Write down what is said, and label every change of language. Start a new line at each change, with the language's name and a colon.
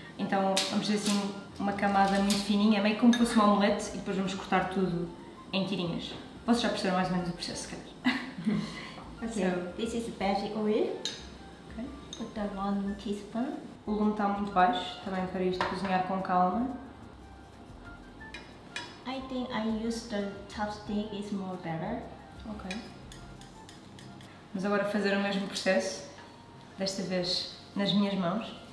Portuguese: Então, vamos dizer assim, uma camada muito fininha, meio como se fosse uma omelete, e depois vamos cortar tudo em tirinhas. Vocês já perceberam mais ou menos o processo, se calhar.
English: Ok, so, this is basic oil. Okay. Put the 1 teaspoon.
Portuguese: O lume está muito baixo, também para isto cozinhar com calma.
English: I think I use the chopstick, it's more better. Ok.
Portuguese: Vamos agora fazer o mesmo processo, desta vez nas minhas mãos.